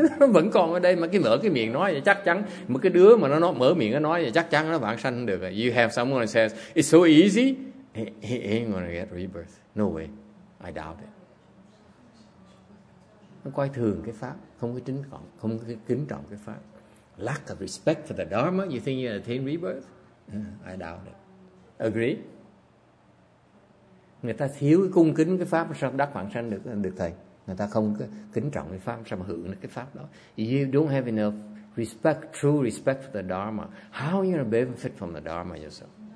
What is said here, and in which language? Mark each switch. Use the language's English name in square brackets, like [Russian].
[Vietnamese] Vẫn còn ở đây mà cái mở cái miệng nói thì chắc chắn một cái đứa mà nó mở miệng nó nói thì chắc chắn nó vãng sanh được. [English] You have someone who says it's so easy. He ain't gonna get rebirth. No way. I doubt it. [Vietnamese] Nó coi thường cái pháp, không có kính trọng, không có kính trọng cái pháp. [English] Lack of respect for the Dharma, you think you're attain rebirth? I doubt it. Agree? [Vietnamese] Người ta thiếu cái cung kính cái pháp sao đắc vãng sanh được được thầy? Người ta không có kính trọng cái pháp sao mà hưởng được cái pháp đó? [English] You don't have enough respect, true respect for the Dharma. How are you gonna benefit from the Dharma yourself?